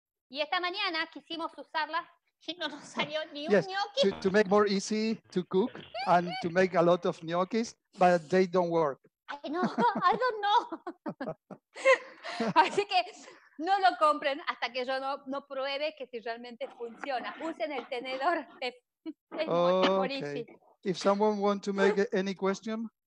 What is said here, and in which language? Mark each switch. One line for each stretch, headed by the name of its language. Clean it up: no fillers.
Spanish: Y esta mañana quisimos usarla y no nos salió ni un
English: yes,
Spanish: gnocchi.
English: To make more easy to cook and to make a lot of gnocchis, but they don't work. I don't know.
Spanish: Así que no lo compren hasta que yo no pruebe que si realmente funciona. Usen el tenedor. Es
English: okay. Easy. If someone want to make any question.